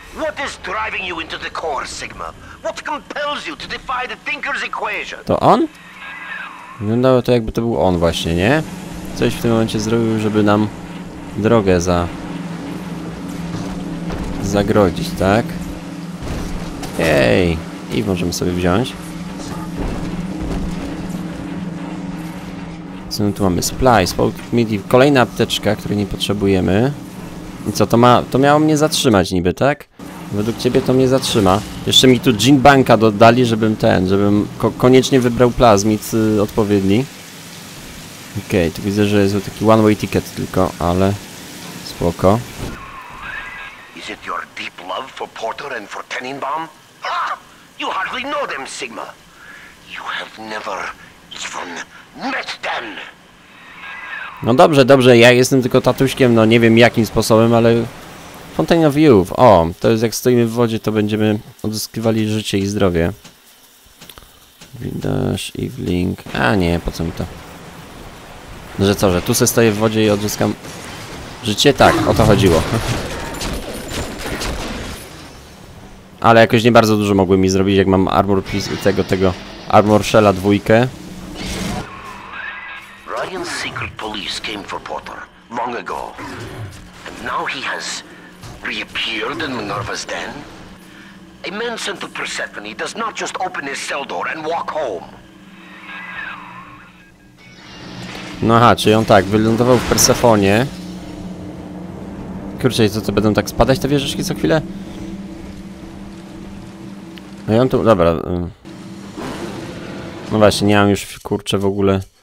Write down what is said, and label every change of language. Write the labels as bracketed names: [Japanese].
[English] What is driving you into the core, Sigma? What compels you to defy the Thinker's equation? [Polish] To on? Wyglądało to, jakby to był on właśnie, nie? Coś w tym momencie zrobił, żeby nam drogę zagrodzić, tak? Ej, i możemy sobie wziąć. Co tu mamy? Supplies, folk midi, kolejna apteczka, której nie potrzebujemy. I co, to ma, to miało mnie zatrzymać niby, tak? Według ciebie to mnie zatrzyma. Jeszcze mi tu gene banka dodali, żebym ten, żebym koniecznie wybrał plazmid odpowiedni. Okej, tu widzę, że jest taki one way ticket tylko, ale spoko. [English] Is it your deep love for Porter and for Tenenbaum? Ah! You hardly know them, Sigma. You have never even met them. [Polish] No dobrze, dobrze, ja jestem tylko tatuśkiem, no nie wiem jakim sposobem, ale Fountain of Youth. O, to jest jak stoimy w wodzie, to będziemy odzyskiwali życie i zdrowie. Windash, Evelink. A nie, po co mi to? Że co, że tu se stoję w wodzie i odzyskam życie? Tak, o to chodziło. Ale jakoś nie bardzo dużo mogły mi zrobić, jak mam armor piece, tego armor shella dwójkę. [English] Ryan's secret police came for Porter long ago, and now he has reappeared in Minerva's den. A man sent to Persephone does not just open his cell door and walk home. [Polish] No aha, czyli on tak wylądował w Persefonie. Kurczę, co to będą tak spadać te wieżyczki co chwilę? No ja mam tu, dobra. No właśnie, nie mam już, kurczę, w ogóle.